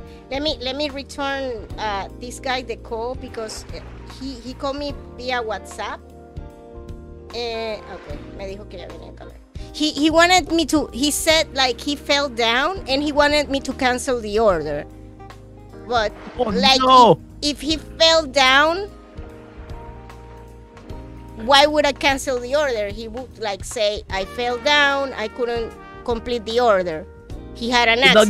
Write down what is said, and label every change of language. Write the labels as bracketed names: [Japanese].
[English] Let me return this guy the call because he called me via WhatsApp. [Spanish] Okay, me dijo que ya venía a comer. [English] He wanted me to. He said like he fell down and he wanted me to cancel the order. But if he fell down, why would I cancel the order? He would like say I fell down. I couldn't complete the order. He had an accident.